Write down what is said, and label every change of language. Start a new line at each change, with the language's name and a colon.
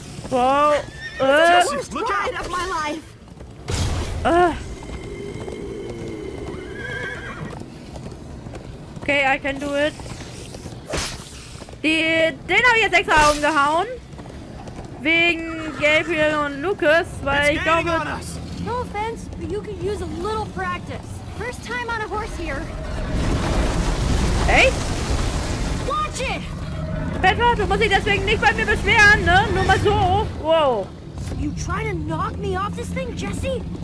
English: Wow. Okay, I can do it.
German: Den habe ich jetzt extra umgehauen. wegen Gabriel und Lukas, weil ich glaube...
English: No offense, but you could use a little practice. First time on a horse here. Hey? Watch it!
German: Petra, du musst dich deswegen nicht bei mir beschweren, ne? Nur mal so. Wow.
English: You trying to knock me off this thing, Jesse?